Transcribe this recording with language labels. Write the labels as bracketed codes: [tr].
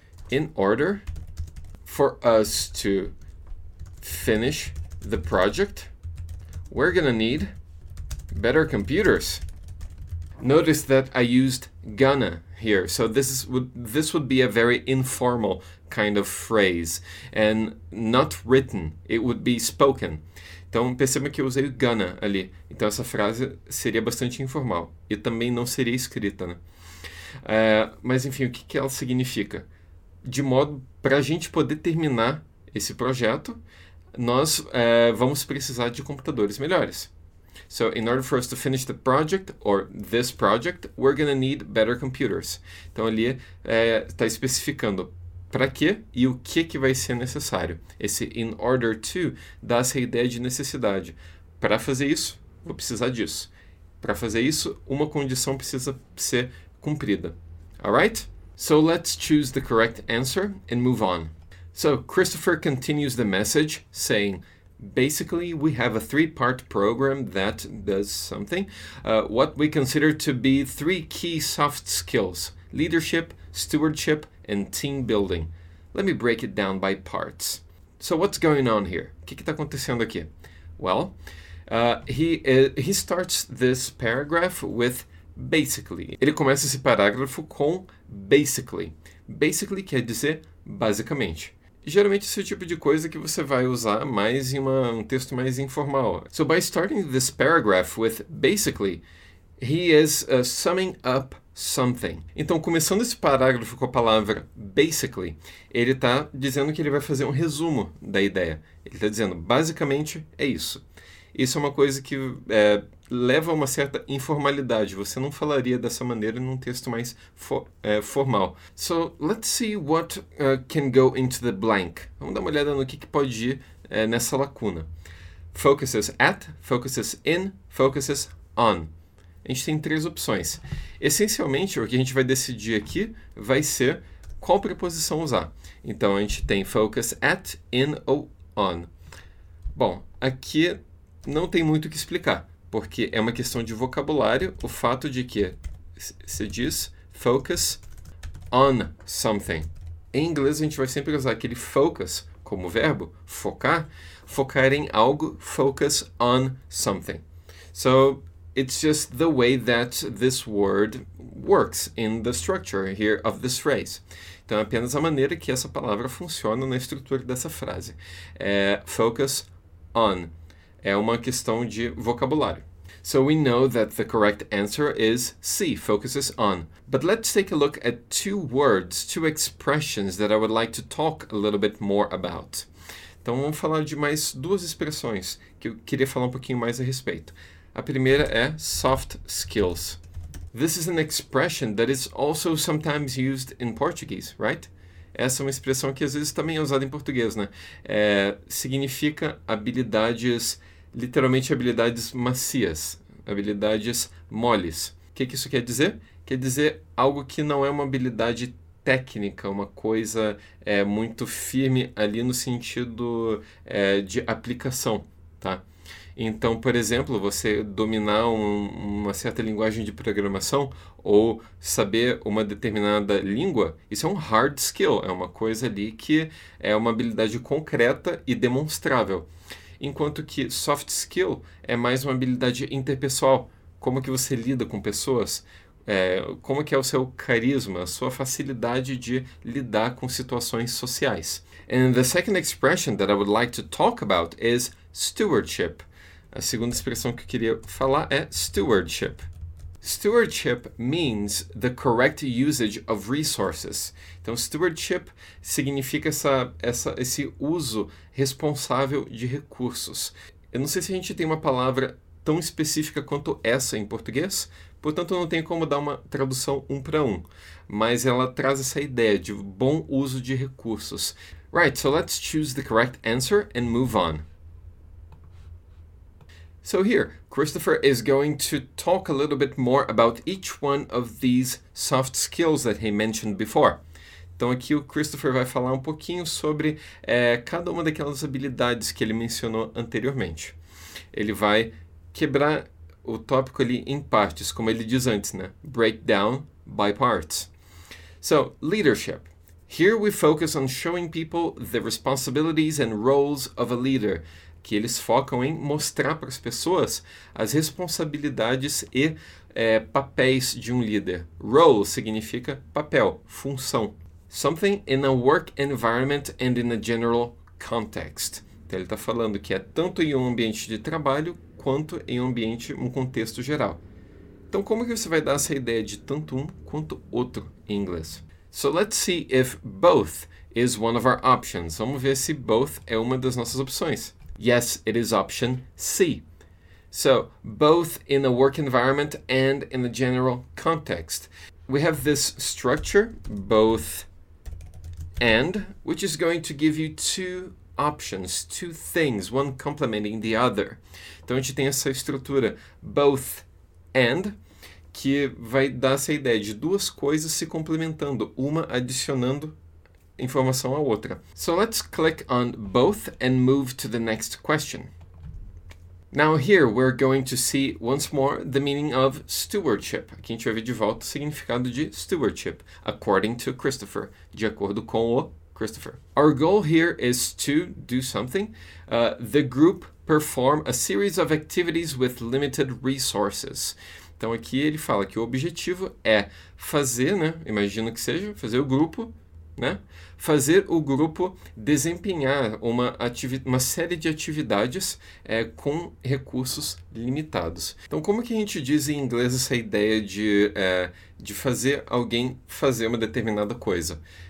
[en] In order for us to finish the project, we're gonna need better computers. Notice that I used gonna here. So this would be a very informal kind of phrase and not written. It would be spoken. [pt] Então perceba que eu usei gonna ali. Então essa frase seria bastante informal e também não seria escrita, né? Mas enfim, o que que ela significa? De modo para a gente poder terminar esse projeto, nós vamos precisar de computadores melhores. [en] So, in order for us to finish the project, or this project, we're going to need better computers. [pt] Então, ali está especificando para quê e o que vai ser necessário. Esse in order to dá essa ideia de necessidade. Para fazer isso, vou precisar disso. Para fazer isso, uma condição precisa ser cumprida. [en] All right? So, let's choose the correct answer and move on. So, Christopher continues the message saying, basically, we have a three-part program that does something. What we consider to be three key soft skills: leadership, stewardship, and team building. Let me break it down by parts. So, what's going on here? [pt] O que está acontecendo aqui? [en] Well, he starts this paragraph with basically. [pt] Ele começa esse parágrafo com basically. Basically quer dizer basicamente. Geralmente esse é o tipo de coisa que você vai usar mais em um texto mais informal. [en] So by starting this paragraph with basically, he is summing up something. [pt] Então, começando esse parágrafo com a palavra basically, ele está dizendo que ele vai fazer um resumo da ideia. Ele está dizendo, basicamente, é isso. Isso é uma coisa que leva a uma certa informalidade. Você não falaria dessa maneira num texto mais formal. [en] So, let's see what can go into the blank. [pt] Vamos dar uma olhada no que pode ir nessa lacuna. Focuses at, focuses in, focuses on. A gente tem três opções. Essencialmente, o que a gente vai decidir aqui vai ser qual preposição usar. Então, a gente tem focus at, in ou on. Bom, aqui não tem muito o que explicar, porque é uma questão de vocabulário, o fato de que se diz focus on something. Em inglês, a gente vai sempre usar aquele focus como verbo, focar, focar em algo, focus on something. [en] So, it's just the way that this word works in the structure here of this phrase. [pt] Então, é apenas a maneira que essa palavra funciona na estrutura dessa frase. É focus on. É uma questão de vocabulário. [en] So we know that the correct answer is C, focuses on. But let's take a look at two words, two expressions that I would like to talk a little bit more about. [pt] Então vamos falar de mais duas expressões que eu queria falar um pouquinho mais a respeito. A primeira é soft skills. [en] This is an expression that is also sometimes used in Portuguese, right? [pt] Essa é uma expressão que às vezes também é usada em português, né? Significa habilidades, literalmente habilidades macias, habilidades moles. O que isso quer dizer? Quer dizer algo que não é uma habilidade técnica, uma coisa muito firme ali no sentido de aplicação, tá? Então, por exemplo, você dominar uma certa linguagem de programação ou saber uma determinada língua, isso é um hard skill, é uma coisa ali que é uma habilidade concreta e demonstrável. Enquanto que soft skill é mais uma habilidade interpessoal, como que você lida com pessoas, como que é o seu carisma, a sua facilidade de lidar com situações sociais. [en] And the second expression that I would like to talk about is stewardship. [pt] A segunda expressão que eu queria falar é stewardship. [en] Stewardship means the correct usage of resources. [pt] Então, stewardship significa esse uso responsável de recursos. Eu não sei se a gente tem uma palavra tão específica quanto essa em português, portanto, eu não tenho como dar uma tradução um para um, mas ela traz essa ideia de bom uso de recursos. [en] Right, so let's choose the correct answer and move on. So here, Christopher is going to talk a little bit more about each one of these soft skills that he mentioned before. [pt] Então aqui o Christopher vai falar um pouquinho sobre cada uma daquelas habilidades que ele mencionou anteriormente. Ele vai quebrar o tópico ali em partes, como ele diz antes, né? [en] Break down by parts. So, leadership. Here we focus on showing people the responsibilities and roles of a leader. [pt] Que eles focam em mostrar para as pessoas as responsabilidades e papéis de um líder. Role significa papel, função. [en] Something in a work environment and in a general context. [pt] Então ele está falando que é tanto em um ambiente de trabalho quanto em um ambiente, um contexto geral. Então como que você vai dar essa ideia de tanto um quanto outro em inglês? [en] So let's see if both is one of our options. [pt] Vamos ver se both é uma das nossas opções. [en] Yes, it is option C. So, both in a work environment and in a general context. We have this structure, both and, which is going to give you two options, two things, one complementing the other. [pt] Então, a gente tem essa estrutura, both and, que vai dar essa ideia de duas coisas se complementando, uma adicionando informação à outra. [en] So let's click on both and move to the next question. Now here we're going to see once more the meaning of stewardship. [pt] Aqui a gente vai ver de volta o significado de stewardship, [en] according to Christopher, [pt] de acordo com o Christopher. [en] Our goal here is to do something. The group perform a series of activities with limited resources. [pt] Então aqui ele fala que o objetivo é fazer, né? Imagino que seja, fazer o grupo, né? Fazer o grupo desempenhar uma série de atividades com recursos limitados. Então, como que a gente diz em inglês essa ideia de fazer alguém fazer uma determinada coisa?